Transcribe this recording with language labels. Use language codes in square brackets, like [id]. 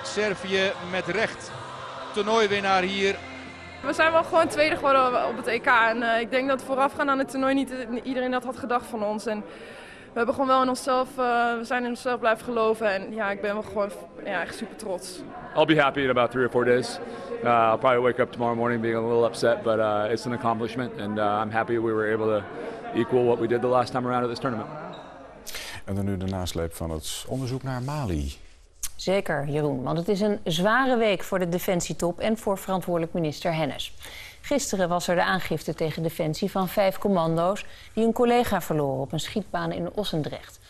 [nl] Servië met recht toernooiwinnaar hier. We zijn wel gewoon tweede geworden op het EK. En ik denk dat voorafgaan aan het toernooi niet iedereen dat had gedacht van ons. En we hebben gewoon wel in onszelf, we zijn in onszelf blijven geloven en ja, ik ben wel gewoon echt super trots. [en] I'll be happy in about 3 or 4 days. I'll probably wake up tomorrow morning being a little upset, but it's an accomplishment and I'm happy we were able to equal what we did the last time around at this tournament. [nl] En dan nu de nasleep van het onderzoek naar Mali. Zeker, Jeroen, want het is een zware week voor de defensietop en voor verantwoordelijk minister Hennis. Gisteren was er de aangifte tegen Defensie van 5 commando's die een collega verloren op een schietbaan in Ossendrecht.